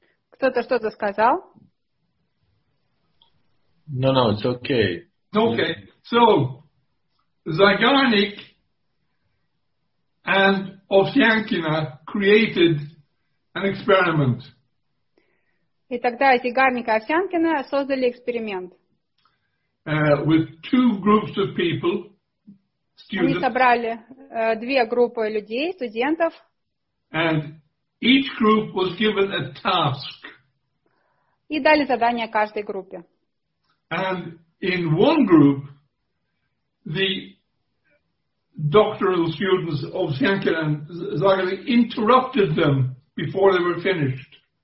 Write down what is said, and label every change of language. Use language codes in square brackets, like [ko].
[ru] Кто-то что-то сказал? [en] No, it's okay. Okay, so Zagarnik and Ovsyankina created an experiment. [ru] И тогда Зигарник и Овсянкина создали эксперимент. [en] With two groups of people, students. [ru] Они собрали две группы людей, студентов. [en] And each group was given a task. [ru] И дали задание каждой группе. [en] And in one group, the doctoral students of Ovsyankina and Zagarnik interrupted them before they were finished.